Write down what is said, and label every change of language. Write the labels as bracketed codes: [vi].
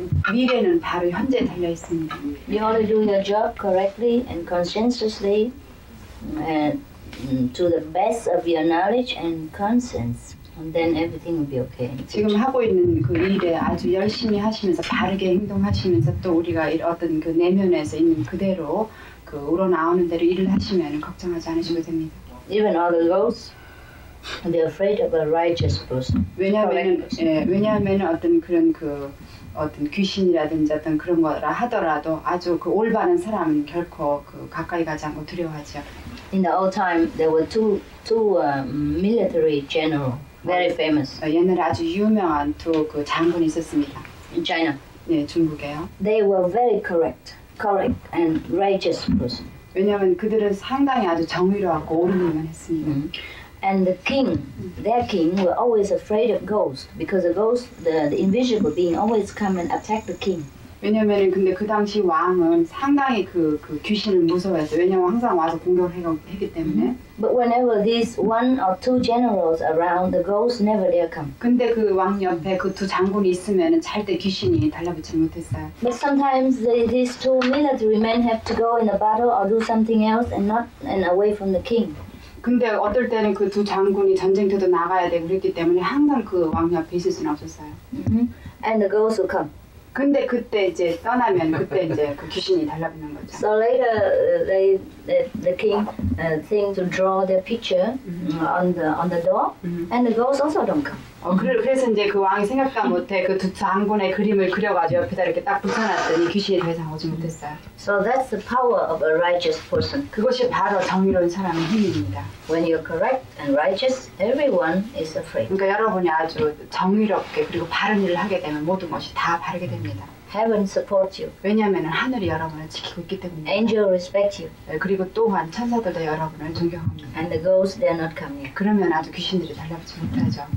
[ko] 미래는 바로 현재 달려 있습니다. [en] You only do your job correctly and conscientiously and to the best of your knowledge and conscience, and then everything will be okay. [ko] 지금 하고 있는 그 일에 아주 열심히 하시면서 바르게 행동하시면서 또 우리가 어떤 그 내면에서 있는 그대로 그 우러나오는 대로 일을 하시면 걱정하지 않으시고 됩니다. [en] Even all the ghosts, they're afraid of a righteous person. [ko] 왜냐하면 어떤 그런 그 어떤 귀신이라든지 어떤 그런 거라 하더라도 아주 그 올바른 사람은 결코 그 가까이 가지 않고 두려워하죠. [en] In the old time, there were two military general, very famous. [ko] 옛날에 아주 유명한 두 그 장군이 있었습니다. [en] In China. [ko] 네, 중국에요. [en] They were very correct and righteous person. [ko] 왜냐하면 그들은 상당히 아주 정의로웠고 옳은 일만 했습니다. [en] And the king, their king, were always afraid of ghosts because the ghost, the invisible being, always come and attack the king. [ko] 왜냐면은 근데 그 당시 왕은 상당히 그 귀신을 무서워했어요. 왜냐면 항상 와서 공격했기 때문에. [en] But whenever these one or two generals around, the ghosts never dare come. [ko] 근데 그 왕 옆에 그 두 장군이 있으면은 절대 귀신이 달라붙지 못했어요. [en] But sometimes these two military men have to go in a battle or do something else and not and away from the king. [ko] 근데 어떨 때는 그 두 장군이 전쟁터도 나가야 되고 그랬기 때문에 항상 그 왕 옆에 있을 수는 없었어요. [en] And the ghosts will come. [ko] 근데 그때 이제 떠나면 그때 이제 그 귀신이 달라붙는 거죠. [en] So later the king thing to draw their picture on the door and the ghosts also don't come. [ko] 그래서 이제 그 왕이 생각도 못해 그 두 장군의 그림을 그려가지고 옆에다 이렇게 딱 붙여놨더니 귀신이 더 이상 오지 못했어요. [en] So that's the power of a righteous person. [ko] 그것이 바로 정의로운 사람의 힘입니다. [en] When you're correct and righteous, everyone is afraid. [ko] 그러니까 여러분이 아주 정의롭게 그리고 바른 일을 하게 되면 모든 것이 다 바르게 됩니다. [en] Heaven supports you. [ko] 왜냐하면 하늘이 여러분을 지키고 있기 때문입니다. [en] Angel respects you. [ko] 그리고 또한 천사들도 여러분을 존경합니다. [en] And the ghosts dare not come near. [ko] 그러면 아주 귀신들이 달라붙지 못하죠.